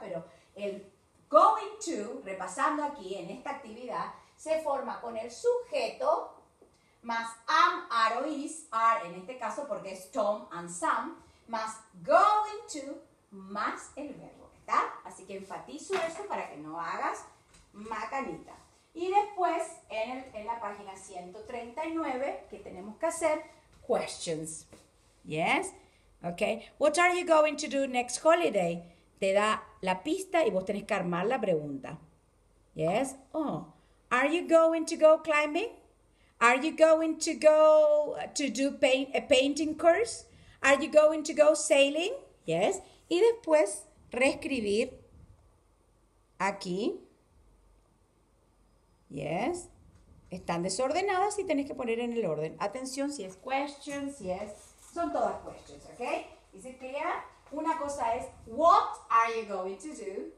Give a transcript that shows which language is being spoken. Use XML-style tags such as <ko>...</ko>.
<es>Pero el going to, repasando aquí en esta actividad, se forma con el sujeto más am, are o is, are en este caso porque es Tom and Sam, más going to, más el verbo, ¿está? Así que enfatizo eso para que no hagas macanita. Y después, en la página 139, ¿qué tenemos que hacer?</es> <en>Questions. Yes? Okay. What are you going to do next holiday?</en> <es>Te da la pista y vos tenés que armar la pregunta.</es> <en>Yes? Oh. Are you going to go climbing? Are you going to go to do a painting course? Are you going to go sailing? Yes?</en> <es>Y después, reescribir aquí.</es> <en>Yes?</en> <es>Están desordenadas y tenés que poner en el orden. Atención, si es questions, si es... Son todas questions, ¿ok?</es> <en>Is it clear?</en> <es>Una cosa es,</es> <en>what are you going to do?</en>